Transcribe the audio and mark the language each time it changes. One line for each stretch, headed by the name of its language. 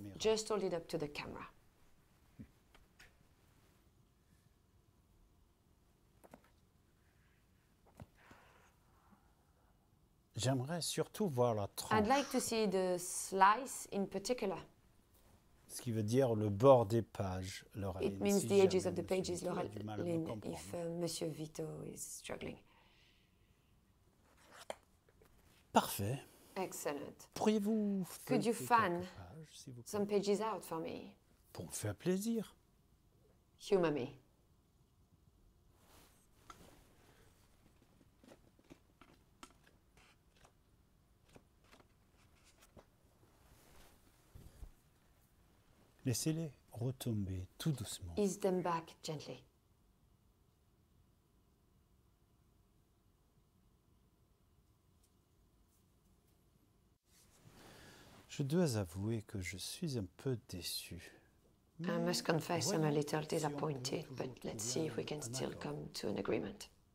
English: Just hold it up to the camera.
French: J'aimerais surtout voir la tranche.
English: I'd like to see the slice in particular.
French: Ce qui veut dire le bord des pages, Laureline.
English: It means the edges of the pages, Laureline, if Monsieur Vito is struggling.
French: Parfait.
English: Excellent.
French: Pourriez-vous
English: Could you fan pages, si some pages out for me?
French: Pour me faire plaisir.
English: Humor me.
French: Laissez-les retomber tout doucement.
English: Ease them back gently.
French: Je dois avouer que je suis un peu déçu.
English: I must confess I'm a little disappointed, but let's see if we can still come to an agreement.